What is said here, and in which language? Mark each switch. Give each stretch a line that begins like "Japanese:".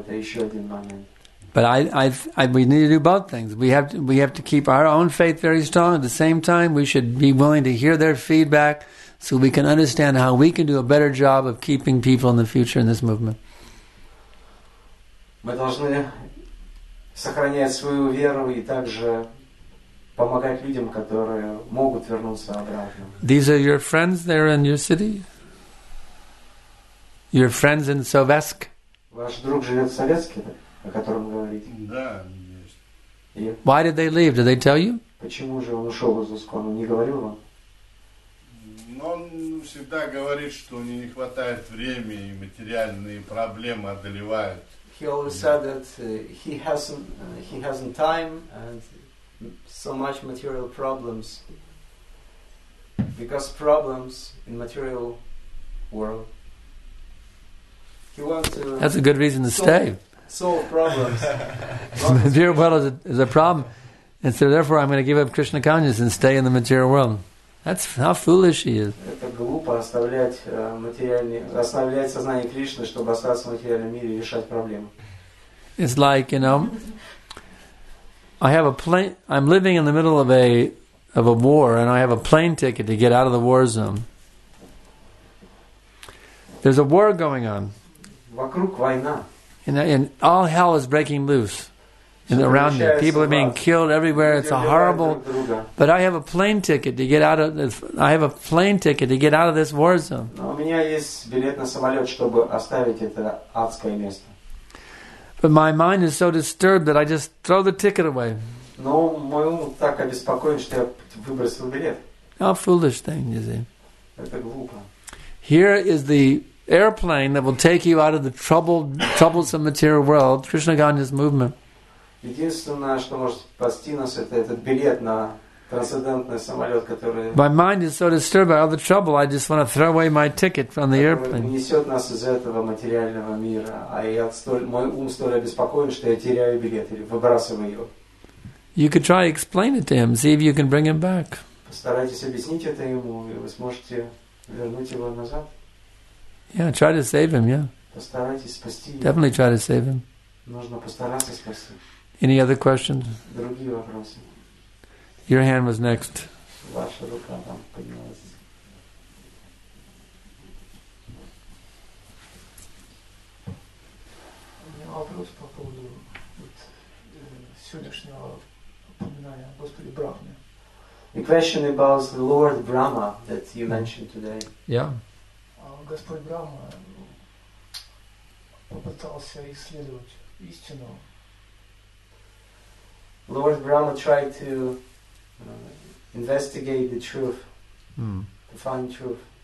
Russian: Это еще один момент.
English: But we need to do both things. We have to keep our own faith very strong. At the same time, we should be willing to hear their feedback so we can understand how we can do a better job of keeping people in the future in this movement.
Russian: Мы должны сохранять свою веру и также помогать людям, которые могут вернуться обратно.
English: These are your friends there in your city? Your friends in Sovetsk?
Russian: Ваш друг живет в Советске, о котором говорите? Да, есть. И
English: why did they leave? Did they tell you?
Russian: Почему же он ушел из ISKCON? Он не говорил вам? Но он всегда говорит, что у него не хватает времени и материальные проблемы одолевают.
English: He always said that he hasn't time and so much material problems, because problems in material world. He wants to. That's a good reason to stay. Solve problems. Material world is a problem, and so therefore I'm going to give up Krishna consciousness and stay in the material world. That's how foolish he is.
Russian: Это глупо оставлять сознание Кришны, чтобы остаться в материальном мире и решать проблемы.
English: It's like, you know, I have a plane. I'm living in the middle of a war, and I have a plane ticket to get out of the war zone. There's a war going on.
Russian: Вокруг война.
English: And all hell is breaking loose, and around me, people are being killed everywhere. It's a horrible. But I have a plane ticket to get out of. I have a plane ticket to get out of this war zone.
Russian: Но у меня есть билет на самолет, чтобы оставить это адское место.
English: But my mind is so disturbed that I just throw the ticket away.
Russian: Но мой ум так обеспокоен, что я выбросил билет.
English: How foolish thing, you see.
Russian: Это глупо.
English: Here is the airplane that will take you out of the troublesome material world, Krishna consciousness movement.
Russian: Единственное, что может спасти нас, это этот билет на трансцендентный самолет, который.
English: My mind is so disturbed by all the trouble. I just want to throw away my ticket from the airplane.
Russian: Несет нас из этого материального мира, а я мой ум столь обеспокоен, что я теряю билет или выбрасываю его.
English: You could try explain it to him. See if you can bring him back.
Russian: Постарайтесь объяснить это ему, и вы сможете вернуть его назад.
English: Yeah, try to save him. Yeah.
Russian: Постарайтесь спасти его.
English: Definitely try to save him.
Russian: Нужно постараться спасти.
English: Any other questions?
Russian: Другие вопросы.
English: Your hand was next.
Russian: Ваша рука там поднялась. У меня вопрос по поводу вот, сегодняшнего упоминания о Господе Брахме.
English: The question about the Lord Brahma that you mentioned today. Yeah.
Russian: Господь Брахма попытался исследовать истину.
English: Lord Brahma tried to investigate the truth, to find truth.